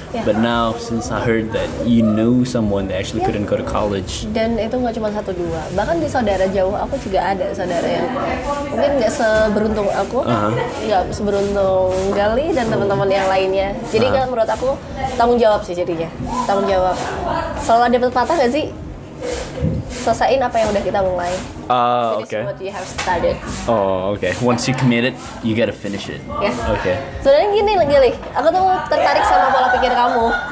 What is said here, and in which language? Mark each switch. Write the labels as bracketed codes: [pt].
[en] But now since I heard that you know someone that actually couldn't go to college. [id] Dan itu gak cuma 1-2. Bahkan di saudara jauh aku juga ada saudara yang mungkin gak seberuntung aku. Gak seberuntung Gali dan teman-teman yang lainnya. Jadi kan menurut aku tanggung jawab sih jadinya. Tanggung jawab. Selalu ada pepatah gak sih? Selesain apa yang udah kita mulai. [en] Okay. Finish what you have started. Oh, okay. Once you commit it, you gotta finish it. Yeah. Okay. [id] Sebenarnya gini, Gili. Aku tuh tertarik sama pola pikir kamu.